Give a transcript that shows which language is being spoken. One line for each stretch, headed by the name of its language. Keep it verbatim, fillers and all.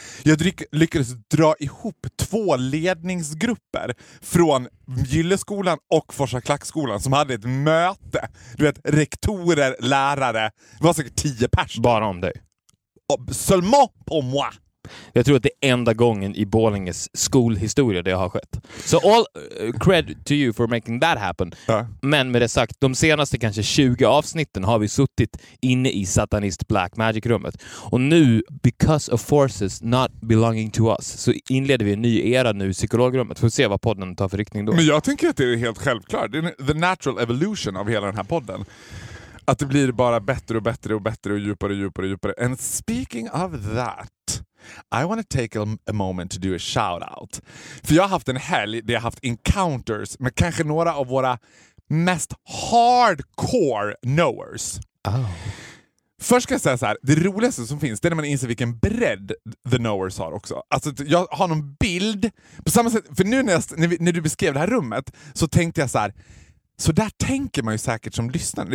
Swedish: Jag lyckades dra ihop två ledningsgrupper från Gylleskolan och Forsa Klackskolan som hade ett möte. Du vet, rektorer, lärare. Det var säkert tio pers. Bara om dig.
French: Seulement på moi.
Swedish: Jag tror att det är enda gången i Borlänges skolhistoria det har skett.
English: Så so all uh, cred to you for making that happen.
Swedish: Ja. Men med det sagt, de senaste kanske tjugo avsnitten har vi suttit inne i satanist Black Magic-rummet. Och nu,
English: because of forces not belonging to us,
Swedish: så inleder vi en ny era nu i psykologrummet. Får se vad podden tar för riktning då. Men jag tänker att det är helt självklart. Det är
English: the natural evolution
Swedish: av hela den här podden. Att det blir bara bättre och bättre och bättre och djupare och djupare och djupare.
English: And speaking of that, I want to take a, a moment to do a shout-out.
Swedish: För jag har haft en helg där jag har haft encounters med kanske några av våra mest
English: hardcore knowers. Oh.
Swedish: Först ska jag säga så här, det roligaste som finns det är när man inser vilken bredd
English: the knowers
Swedish: har också. Alltså jag har någon bild, på samma sätt, för nu när, jag, när, vi, när du beskrev det här rummet så tänkte jag så här, så där tänker man ju säkert som lyssnare.